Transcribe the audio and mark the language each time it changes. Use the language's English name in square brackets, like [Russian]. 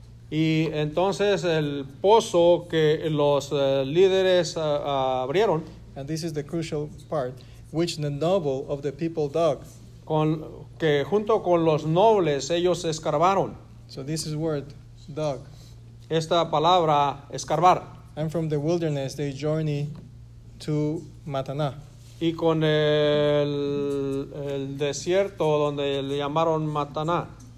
[Spanish] Y entonces el pozo que los líderes abrieron. [English] And this is the crucial part, which the noble of the people dug. [Spanish] Con que junto con los nobles ellos escarbaron. [English] So this is word dug. [Spanish] Esta palabra escarbar. [English] And from the wilderness they journey to Mataná. [Spanish] Y con el desierto donde le llamaron Mataná.